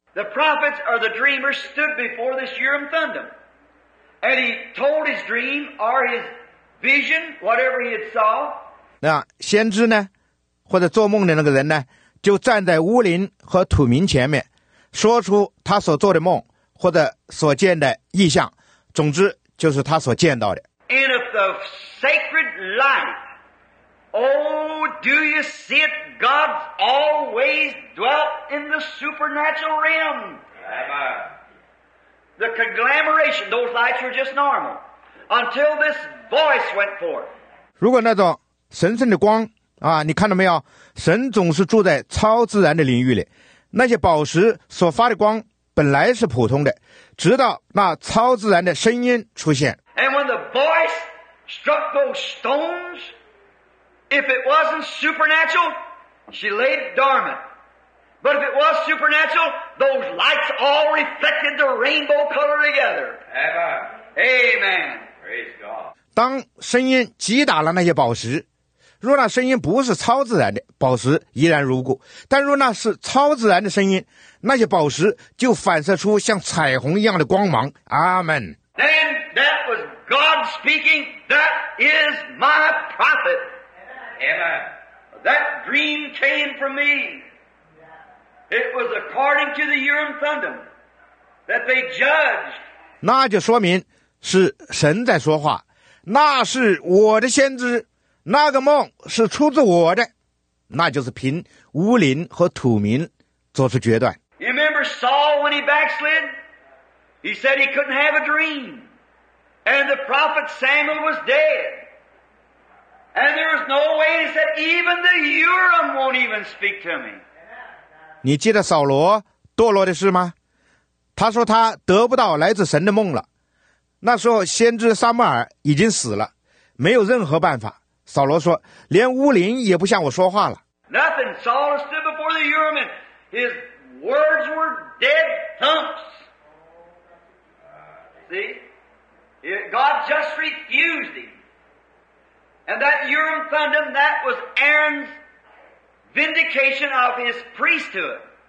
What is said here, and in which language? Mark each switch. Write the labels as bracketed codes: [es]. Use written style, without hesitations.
[en] The prophets or the dreamers stood before this Urim Thummim. And he told his dream or his vision, whatever he had saw. [zh] 那先知呢，或者做梦的那个人呢，就站在乌灵和土民前面，说出他所做的梦或者所见的异象，总之就是他所见到的。 [en] And if the sacred light, oh, do you see it? God's always dwelt in the supernatural realm. The conglomeration, those lights were just normal until this voice went forth. [zh] 如果那种神圣的光啊，你看到没有，神总是住在超自然的领域里，那些宝石所发的光本来是普通的，直到那超自然的声音出现。 [en] And when the voice struck those stones, if it wasn't supernatural, she laid dormant. But if it was supernatural, those lights all reflected the rainbow color together. Amen. Praise God. [zh] 当声音击打了那些宝石，若那声音不是超自然的，宝石依然如故；但若那是超自然的声音，那些宝石就反射出像彩虹一样的光芒。阿们。 [en] Then that was God speaking. That is my prophet. Amen. That dream came from me. It was according to the Urim Thummim that they judged. [zh] 那就说明是神在说话，那是我的先知。那个梦是出自我的，那就是凭乌灵和土民做出决断。 [en] You remember Saul when he backslid? He said he couldn't have a dream. And the prophet Samuel was dead. And there was no way he said even the Urim won't even speak to me. [zh] 你记得扫罗堕落的事吗？他说他得不到来自神的梦了。那时候先知撒母耳已经死了，没有任何办法。扫罗说连乌灵也不向我说话了。 [en] Nothing. Saul stood before the Urim and his words were dead thumps. See? God just refused him. And that Urim Thummim, that was Aaron's vindication of his priesthood.